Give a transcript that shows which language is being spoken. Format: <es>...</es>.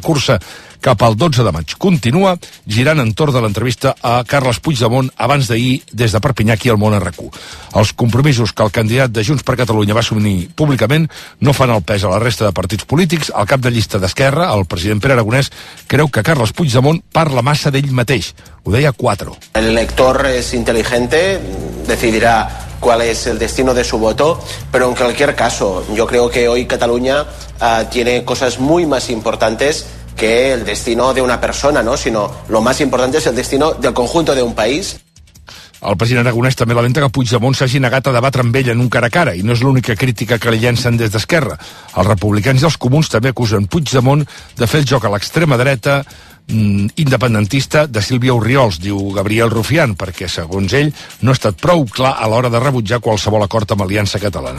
<ca>La cursa cap al 12 de maig continua, girant entorn de l'entrevista a Carles Puigdemont abans d'ahir des de Perpinyà aquí al Món RQ. Els compromisos que el candidat de Junts per Catalunya va assumir públicament no fan el pes a la resta de partits polítics. El cap de llista d'Esquerra, el president Pere Aragonès, creu que Carles Puigdemont parla massa d'ell mateix. Ho deia Cuatro.</ca> <es>El elector és inteligente, decidirà cuál es el destino de su voto, pero en cualquier caso, yo creo que hoy Cataluña tiene cosas muy más importantes que el destino de una persona, ¿no? Sino lo más importante es el destino del conjunto de un país.</es> <ca>El president Aragonès també lamenta que Puigdemont s'hagi negat a debatre amb ell en un cara a cara, i no és l'única crítica que li llencen des d'Esquerra. Els republicans i els comuns també acusen Puigdemont de fer el joc a l'extrema dreta independentista de Sílvia Orriols, diu Gabriel Rufián, perquè, segons ell, no ha estat prou clar a l'hora de rebutjar qualsevol acord amb Aliança Catalana.</ca>